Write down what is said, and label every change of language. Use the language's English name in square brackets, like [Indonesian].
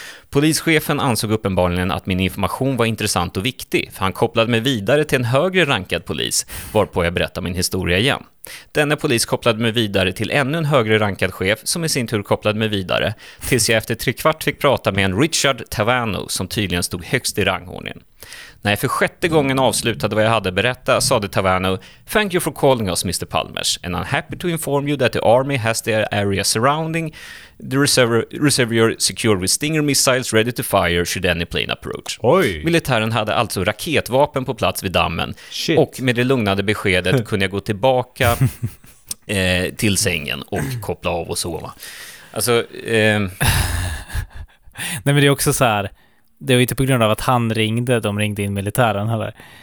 [Swedish] Polischefen ansåg uppenbarligen att min information var intressant och viktig, för han kopplade mig vidare till en högre rankad polis, varpå jag berättade min historia igen. Denna polis kopplade mig vidare till ännu en högre rankad chef, som i sin tur kopplade mig vidare, tills jag efter tre kvart fick prata med en Richard Tavano, som tydligen stod högst i rangordningen. När jag för sjätte gången avslutade vad jag hade berättat, sade Tavano, [English] "Thank you for calling us, Mr. Palmers, and I'm happy to inform you that the army has their area surrounding the reservoir secured with Stinger missiles ready to fire should any plane approach." [Swedish] Oj. Militären hade alltså raketvapen på plats vid dammen. [English] Shit. [Swedish] Och med det lugnande beskedet kunde jag gå tillbaka till sängen och koppla av och sova. Alltså... Nej, men det är också så här, det var inte på grund av att han ringde, de ringde in militären heller.